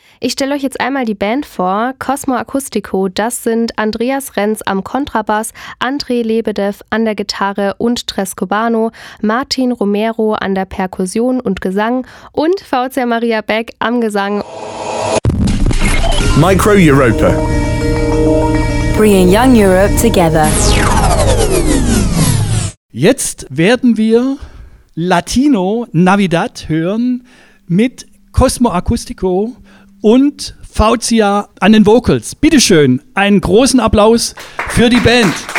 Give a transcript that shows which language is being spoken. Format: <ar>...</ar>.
<de>Ich stelle euch jetzt einmal die Band vor. Cosmo Acustico, das sind Andreas Renz am Kontrabass, André Lebedev an der Gitarre und Tres Cubano, Martin Romero an der Perkussion und Gesang und Fauzia Maria Beck am Gesang. Micro Europa.</de> <en>Bringing young Europe together.</en> <de>Jetzt werden wir Latino Navidad hören mit Cosmo Acustico und Fauzia an den Vocals. Bitte schön, einen großen Applaus für die Band.</de>